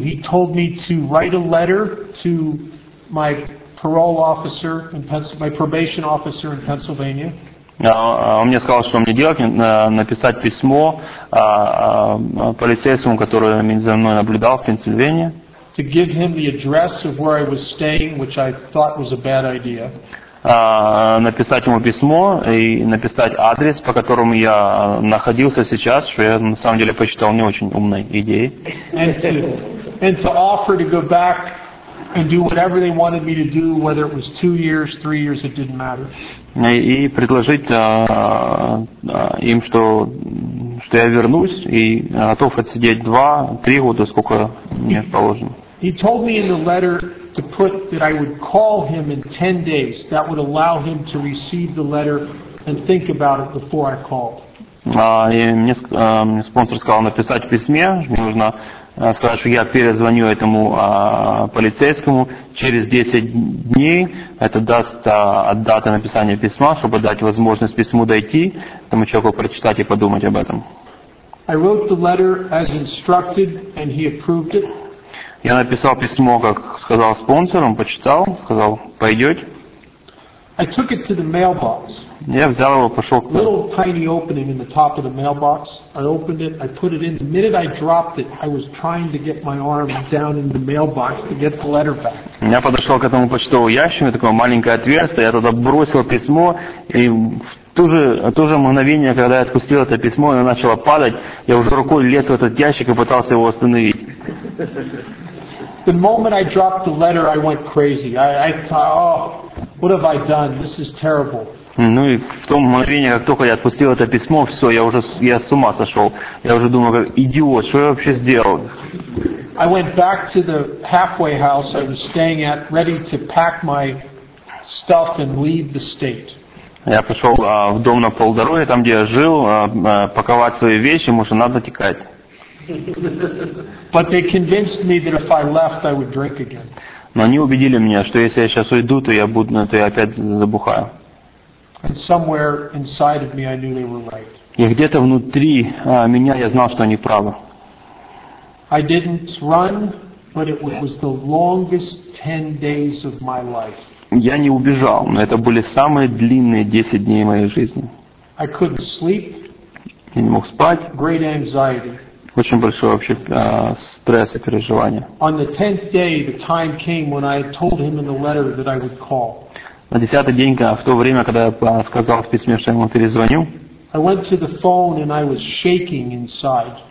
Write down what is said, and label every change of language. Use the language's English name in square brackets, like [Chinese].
[English] He told me to write a letter to my parole officer, my probation officer in Pennsylvania. [Russian] Он мне сказал, что мне делать, написать письмо полицейскому, который за мной наблюдал в Пенсильвании. [English] To give him the address of where I was staying, which I thought was a bad idea. [Russian] Написать ему письмо и написать адрес, по которому я находился сейчас, что я на самом деле посчитал не очень умной идеей. [English] And to offer to go back and do whatever they wanted me to do, whether it was 2 years, 3 years, it didn't matter. [Russian] И предложить им, что я вернусь и готов отсидеть 2-3 года, сколько мне положено. [English] He told me in the letter to put that I would call him in 10 days. That would allow him to receive the letter and think about it before I called. [Russian] Мне спонсор сказал написать письме. Мне нужно сказать, что я перезвоню этому полицейскому через 10 дней. Это даст от даты написания письма, чтобы дать возможность письму дойти, этому человеку прочитать и подумать об этом. [English] I wrote the letter as instructed and he approved it. [Russian] Я написал письмо, как сказал спонсор, он почитал, сказал, пойдете. [English] I took it to the mailbox. [Russian] Я взял его, пошел к... [English] Little tiny opening in the top of the mailbox. I opened it, I put it in. The minute I dropped it, I was trying to get my arm down in the mailbox to get the letter back. [Russian] Я подошел к этому почтовому ящику, такое маленькое отверстие, я туда бросил письмо, и в то же мгновение, когда я отпустил это письмо, оно начало падать, я уже рукой лез в этот ящик и пытался его остановить. [English] The moment I dropped the letter, I went crazy. I thought, oh, what have I done? This is terrible. [Russian] Ну и в том мгновении, как только я отпустил это письмо, все, я с ума сошел. Я уже думал, как идиот, что я вообще сделал? [English] I went back to the halfway house I was staying at, ready to pack my stuff and leave the state. [Russian] Я пришел в дом на полдороге, там, где я жил, паковать свои вещи, может, надо текать. Но они убедили меня, что если я сейчас уйду, то я буду, то я опять забухаю. [English] And somewhere inside of me, I knew they were right. [Russian] И где-то внутри меня я знал, что они правы. [English] I didn't run, but it was the longest 10 days of my life. [Russian] Я не убежал, но это были самые длинные 10 дней моей жизни. [English] I couldn't sleep. [Russian] Я не мог спать. [English] Great anxiety. [Russian] Очень большой вообще стресс и переживания. [English] On the 10th day, the time came when I told him in the letter that I would call. [Russian] На 10-й день, в то время, когда я сказал в письме, что я ему перезвоню, [English] I went to the phone and I was shaking inside.